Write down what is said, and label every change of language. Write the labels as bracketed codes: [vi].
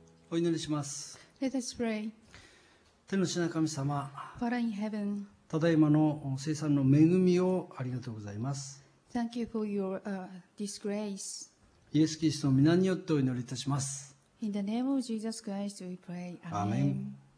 [ja] お祈りします。 [en] Let us pray. [ja] 天の父なる神様、 [en] Father in heaven, [ja] ただいまの聖餐の恵みをありがとうございます。 [en] Thank you for your, this grace. [ja] イエス・キリストの名によってお祈りいたします。 [en] In the name of Jesus Christ, we pray. [ja] アーメン。